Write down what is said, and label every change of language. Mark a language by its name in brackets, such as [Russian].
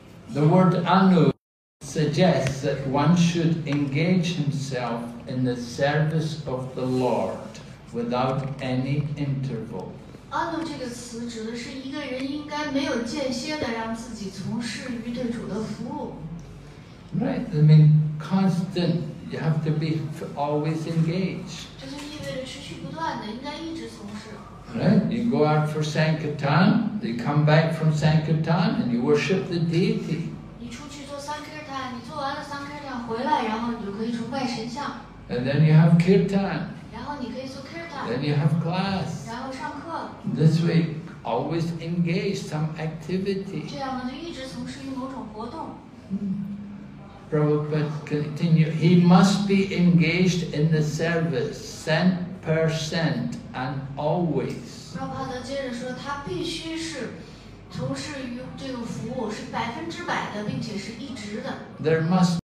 [English] The word Anu suggests that one should engage himself in the service of the Lord. Without any interval. [Chinese] Anu 这个词指的是一个人应该没有间歇的让自己从事于对主的服务。 [English] Right, I mean constant. You have to be always engaged. [Chinese] 这就意味着持续不断的，应该一直从事。 [English] Right, you go out for sankirtan, you come back from sankirtan, and you worship the deity. [Chinese] 你出去做 sankirtan, 你做完了 sankirtan 回来，然后你就可以崇拜神像。 [English] And then you have kirtan. Then you have class. [Chinese] 然后上课。 [English] This way, always engage some activity. [Chinese] 这样呢，就一直从事于某种活动。 [English] Prabhupada continue. He must be engaged in the service, 100% and always. [Chinese] Prabhupada 接着说，他必须是从事于这个服务，是百分之百的，并且是一直的。 [English] There must.